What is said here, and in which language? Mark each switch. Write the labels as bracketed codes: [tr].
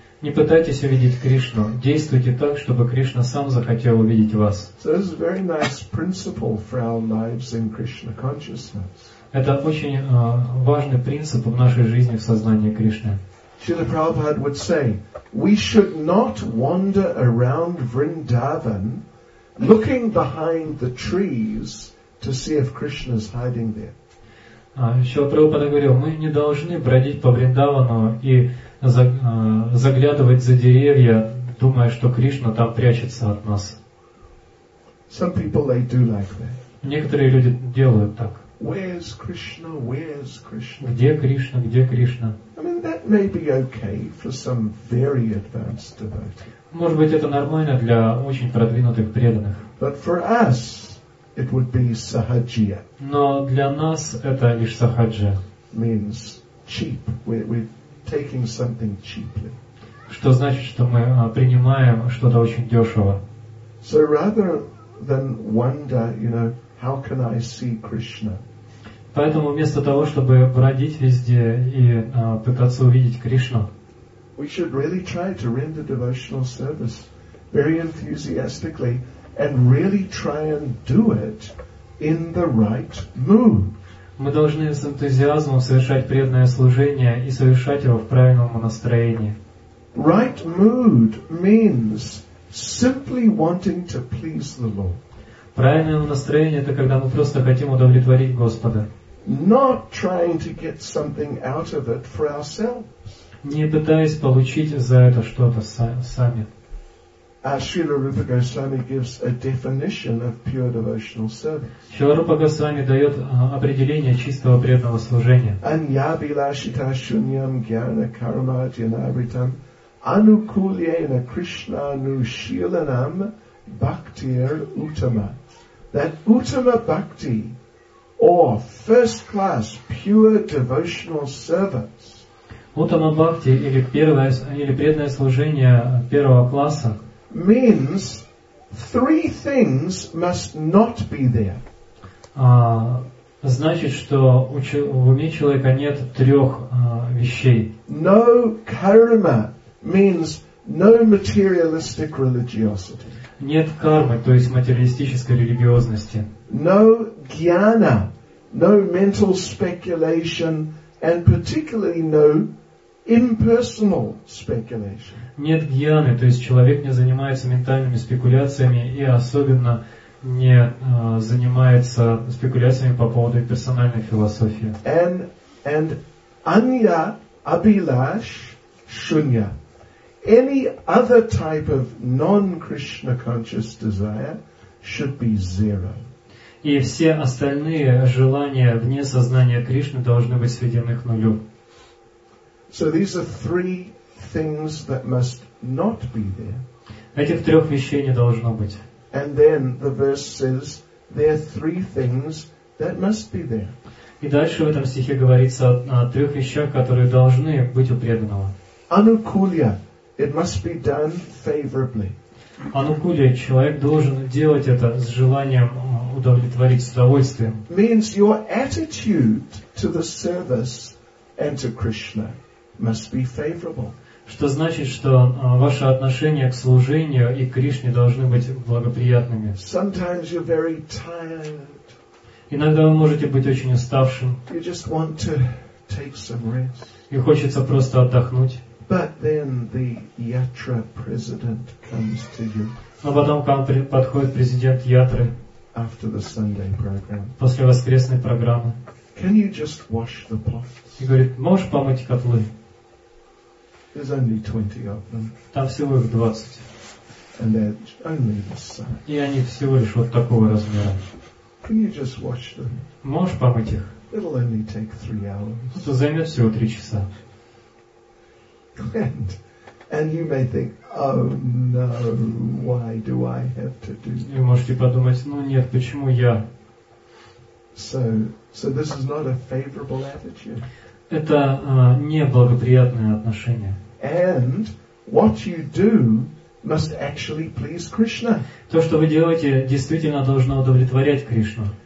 [ru] Не пытайтесь увидеть Кришну. Действуйте так, чтобы Кришна сам захотел увидеть вас. [en] So this is a very nice principle for our lives in Krishna consciousness. [ru] Это очень важный принцип в нашей жизни, в сознании Кришны. [en] Srila Prabhupada would say, we should not wander around Vrindavan looking behind the trees to see if Krishna is hiding there. [ru] Srila Prabhupada говорил, мы не должны бродить по Вриндавану и заглядывать за деревья, думая, что Кришна там прячется от нас. [en] Some people, they do like that. [ru] Некоторые люди делают так. [en] Where's Krishna? Where's Krishna? [ru] Где Кришна? Где Кришна? [en] I mean, that may be okay for some very advanced devotees. [ru] Может быть, это нормально для очень продвинутых преданных. [en] But for us, it would be sahajya. [ru] Но для нас это лишь сахаджа. [en] Means cheap. We taking something cheaply. [ru] Что значит, что мы принимаем что-то очень дешево? [en] So rather than wonder, you know, how can I see Krishna? [ru] Поэтому вместо того, чтобы бродить везде и пытаться увидеть Кришну, [en] we should really try to render devotional service very enthusiastically and really try and do it in the right mood. [ru] Мы должны с энтузиазмом совершать преданное служение и совершать его в правильном настроении. [en] Right mood means simply wanting to please the Lord. [ru] Правильное настроение – это когда мы просто хотим удовлетворить Господа. [en] Not trying to get something out of it for ourselves. [ru] Не пытаясь получить за это что-то сами. [en] Srila Rupa Goswami gives a definition of pure devotional service. [ru] Srila Rupa Goswami дает определение чистого преданного служения. [sa] Anya bilashita shunyam gyana karma jnanavritam anukulyena krishna anushilanam bhaktir uttama. [en] That uttama bhakti, or first class pure devotional service. [ru] Uttama bhakti или первое или преданное служение первого класса. [en] Means three things must not be there. [ru] Значит, что в уме человека нет трех вещей. [en] No karma means no materialistic religiosity. [ru] Нет кармы, то есть материалистической религиозности. [en] No jnana, no mental speculation, and particularly no impersonal speculation. [ru] Нет гьяны, то есть человек не занимается ментальными спекуляциями и особенно не занимается спекуляциями по поводу персональной философии. [sa] And anya abhilash shunya. [en] Any other type of non-Krishna conscious desire should be zero. [ru] И все остальные желания вне сознания Кришны должны быть сведены к нулю. [en] So these are three things that must not be there. [ru] Этих трех вещей не должно быть. [en] And then the verse says there are three things that must be there. [ru] И дальше в этом стихе говорится о трех вещах, которые должны быть у преданного. [en] Anukulya, it must be done favorably. [ru] Anukulya, человек должен делать это с желанием удовлетворить, с удовольствием. [en] Means your attitude to the service and to Krishna must be favorable. [ru] Что значит, что ваше отношение к служению и к Кришне должны быть благоприятными. [en] Sometimes you're very tired. [ru] Иногда вы можете быть очень уставшим. [en] You just want to take some rest. [ru] И хочется просто отдохнуть. [en] But then the Yatra president comes to you. [ru] Но потом к вам подходит президент Ятры. [en] After the Sunday program. [ru] После воскресной программы. [en] Can you just wash the pots? [ru] И говорит, можешь помыть котлы? [en] There's only 20 of them. [ru] Там всего их 20. [en] And they're only this size. [ru] И они всего лишь вот такого размера. [en] Can you just watch them? [ru] Можешь помыть их? [en] It'll only take 3 hours. [ru] Это займет всего 3 часа. [en] And you may think, oh no, why do I have to do this? [ru] И можете подумать, ну нет, почему я? [en] So this is not a favorable attitude. [ru] Это неблагоприятное отношение. [en] And what you do must actually please Krishna. [ru] То, что вы делаете, действительно должно удовлетворять Кришну.